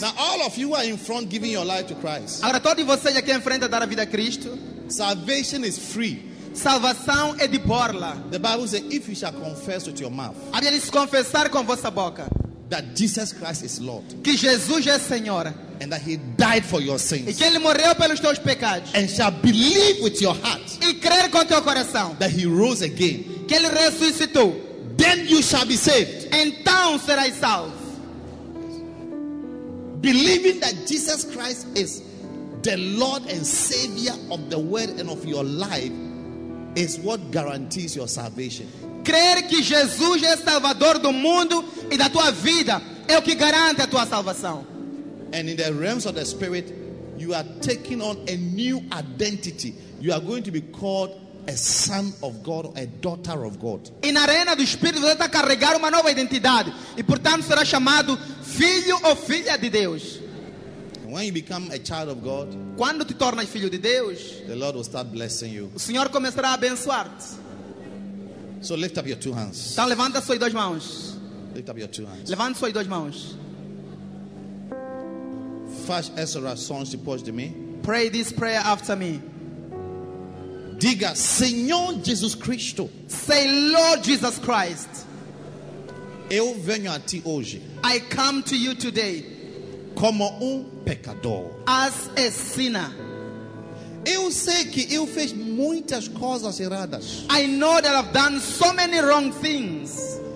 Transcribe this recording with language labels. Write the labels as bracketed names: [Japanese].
[English] Now all of you are in front giving your life to Christ. [Portuguese] Agora todos vocês aqui em frente a dar a vida a Cristo. [English] Salvation is free. [Portuguese] Salvação é de borla. [English] The Bible says if you shall confess with your mouth. [Portuguese] A Bíblia diz confessar com vossa boca. [English] That Jesus Christ is Lord. [Portuguese] Que Jesus é Senhor. [English] And that he died for your sins. [Portuguese] E que ele morreu pelos teus pecados. [English] And shall believe with your heart. [Portuguese] E crer com teu coração. [English] That he rose again. [Portuguese] Que ele ressuscitou. [English] Then you shall be saved. [Portuguese] Então serás salvo. [English] Believing that Jesus Christ is the Lord and Savior of the world and of your life is what guarantees your salvation. [Portuguese] Crer que Jesus é Salvador do mundo e da tua vida é o que garante a tua salvação. [English] And in the realms of the spirit, you are taking on a new identity. You are going to be called a son of God, a daughter of God. [Portuguese] E na arena do espírito você está a carregar uma nova identidade e portanto será chamado filho ou filha de Deus. [English] When you become a child of God, [Portuguese] quando te tornas filho de Deus, [English] the Lord will start blessing you. [Portuguese] O Senhor começará a abençoar-te. [English] So lift up your two hands. [Portuguese] Então levanta suas duas mãos. [English] Lift up your two hands. [Portuguese] Levanta suas duas mãos. Faz essa oração depois de mim. [English] Pray this prayer after me. [Portuguese] Diga, Senhor Jesus Cristo. [English] Say, Lord Jesus Christ. [Portuguese] Eu venho a ti hoje. [English] I come to you today. [Portuguese] Como pecador. [English] As a sinner. [Portuguese] Eu sei que eu fiz muitas coisas erradas. [English] I know that I've done so many wrong things.